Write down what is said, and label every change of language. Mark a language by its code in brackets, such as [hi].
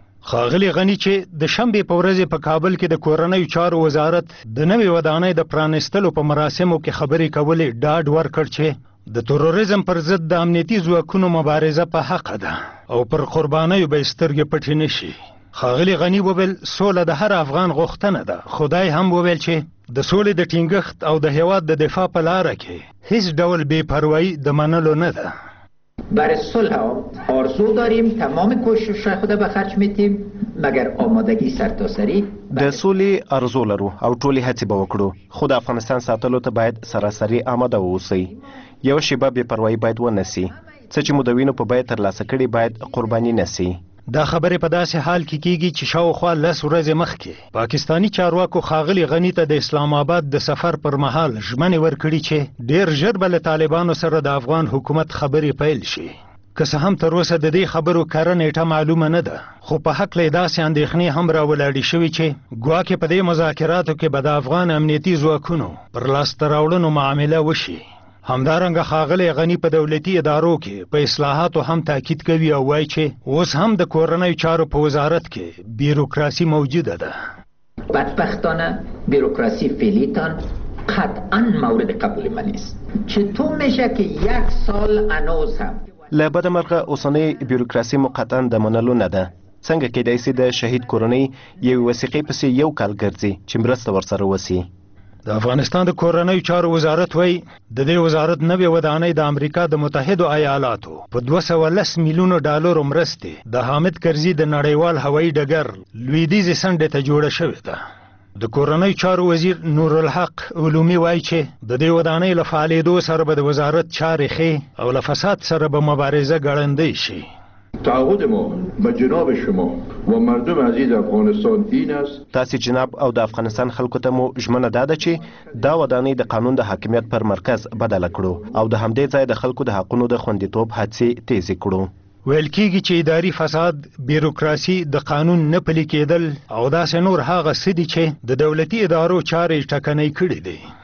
[ps] ښاغلي غنی چې د شنبې په ورځې په کابل کې د کورنیو چارو وزارت د نوې ودانۍ د پرانیستلو په مراسمو کې خبرې کولې ډاډ ورکړ چې د تروریزم پر ضد د امنیتي ځواکونو مبارزه په حق ده او پر قربانیو به سترګې پټې نه شي. ښاغلي غني وویل سوله د هر افغان غوښتنه ده. خدای هم وویل چې د سولې د ټینګښت او د هیواد د دفاع په لاره کې هیڅ ډول بې پروايي د منلو نه ده. [fa] برای صلح آرزو داریم، تمام کوشش خود به خرج میتیم، مگر آمادگی سرتاسری [ps] د سولې ارزو لرو او ټولې هڅې به وکړو. خو د افغانستان ساتلو ته باید سراسري آماده واوسئ. یو شیبه بې پروايي باید ونه سي. څه چې مو د وینو په بیه ترلاسه کړي باید قرباني نه سي. دا خبرې په داسې حال کې کیږي چې شاوخوا لس ورځې مخکې پاکستانی چارواکو ښاغلي غني ته د اسلام آباد د سفر پر مهال ژمنې ورکړي چې ډېر ژر به له طالبانو سره د افغان حکومت خبرې پیل شي. که څه هم تر اوسه د دې خبرو کره نیټه معلومه نه ده، خو په حق له داسې اندېښنې هم راولاړې شوې چې ګواکې په دې مذاکراتو کې به د افغان امنیتي ځواکونو پر لاسته راوړنو معامله وشي. همدارنګه ښاغلی غنی په دولتي ادارو کې په اصلاحاتو هم تاکید کوي او وایي چې اوس هم د کورنیو چارو په وزارت کې بیوروکراسي موجوده ده. [fa] بدبختانه بیوروکراسي فعلیتان قطعا مورد قبول من نیست. چطور میشه که یک سال انوز هم [ps] لبد مرغه اوسنۍ بیوروکراسي مقطعا د منلو نه ده. څنګه کېدای سي د شهید کورنۍ یوې وثیقې پسې یو کال ګرځي چې مرسته ورسره وسي؟ د افغانستان د کورنیو چارو وزارت وایي د دې وزارت نوې ودانۍ د امریکا د متحدو ایالاتو په 210 میلیونو ډالرو مرستې د حامد کرزي د نړیوال هوایي ډګر لویدیځې څنډې ته جوړه شوې ده. د کورنیو چارو وزیر نورالحق علومي وایي چې د دې ودانۍ له فعالېدو سره به د وزارت چارې ښې او له فساد سره به مبارزه ګړندۍ شي. [fa] تعهد ما به جناب شما و مردم عزیز افغانستان این است. [ps] تاسی جناب او د افغانستان خلکو ته مو ژمنه داده چې دا ودانۍ د قانون د حاکمیت پر مرکز بدل کړو او د همدې ځای د خلکو د حقونو د خوندیتوب هڅې تیزې کړو. ویل کېږي چې اداري فساد، بیوروکراسي، د قانون نه پلي کېدل او داسې نور هغه څه دي چې د دولتي ادارو چارې ټکنۍ کړي دي.